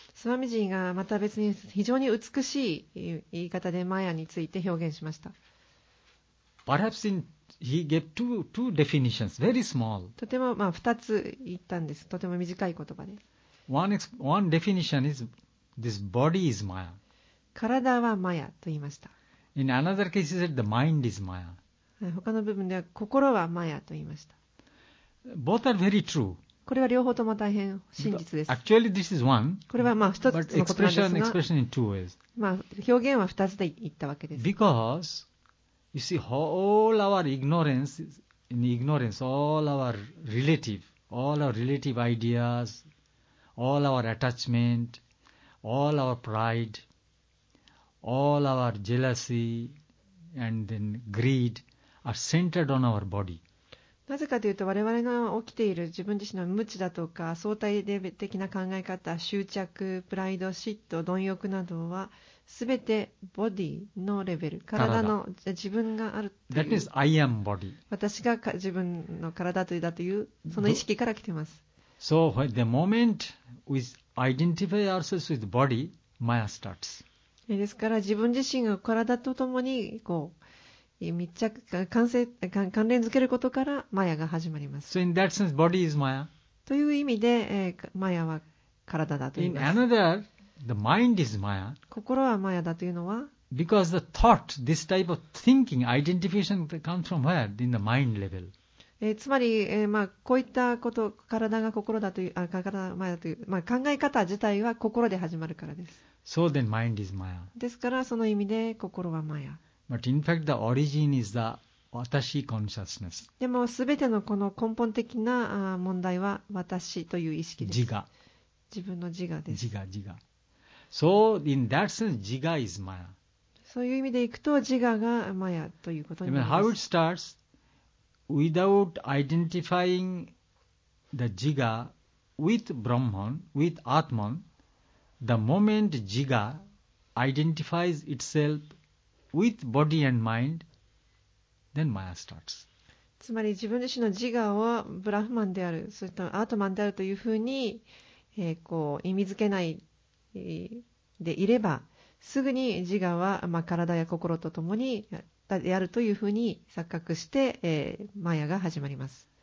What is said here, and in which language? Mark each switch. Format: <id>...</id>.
<ja>Swamiji がまた別に非常に美しい言い方でマヤについて表現しました。</ja> <en>Perhaps in, he gave two definitions, very small.</en> <ja>とても、まあ、2つ言ったんです。とても短い言葉で。</ja> <en>One definition is, this body is Maya.</en> <ja>体はマヤと言いました。</ja> <en>In another case, he said, the mind is Maya.</en> <ja>他の部分では心はマヤと言いました。</ja> <en>Both are very true.</en> <ja>これは両方とも大変真実です。</ja> <en>Actually, this is one.</en> <ja>これはまあ1つのことなんですが、</ja> <en>expression in two ways.</en> <ja>まあ、表現は2つで言ったわけです。</ja> <en>Because... You see, all our ignorance, in ignorance, all our relative ideas, all our attachment, all our pride, all our jealousy, and then greed are centered on our body.</en> <ja>なぜかというと、我々の起きている自分自身の無知だとか、相対的な考え方、執着、プライド、嫉妬、貪欲などは、すべてボディのレベル、体の自分があるという。</ja> <en>That means I am body.</en> <ja>私が自分の体だというその意識から来ています。</ja> <en>So the moment we identify ourselves with body, Maya starts.</en> <ja>ですから自分自身が体とともにこう密着関連づけることからマヤが始まります。</ja> <en>So in that sense, body is Maya.</en> <ja>という意味で、マヤは体だと言います。</ja> <en>In another, the mind is Maya.</en> <ja>心はマヤだというのは、</ja> <en>Because the thought, this type of thinking, identification comes from where? In the mind level.</en> <ja>つまり、まあ、こういったこと、体が心だという、あ、体がマヤという、まあ、考え方自体は心で始まるからです。</ja> <en>So then mind is Maya.</en> <ja>ですから、その意味で心はマヤ。</ja> <en>But in fact, the origin is the 私 consciousness.</en> <ja>でも、すべてのこの根本的な問題は私という意識です。自我。自分の自我です。自我、自我。</ja> <en>So in that sense, 自我 is Maya.</en> <ja>そういう意味でいくと、自我がマヤということになります。</ja> <en>How it starts? Without identifying the jiga with Brahman, with Atman, the moment jiga identifies itself with body and mind, then Maya starts.</en> <ja>つまり自分自身の自我をブラフマンである、それとアートマンであるというふうに、こう意味付けないでいれば、すぐに自我は、まあ、体や心とともにであるというふうに錯覚して、マヤが始まります。</ja>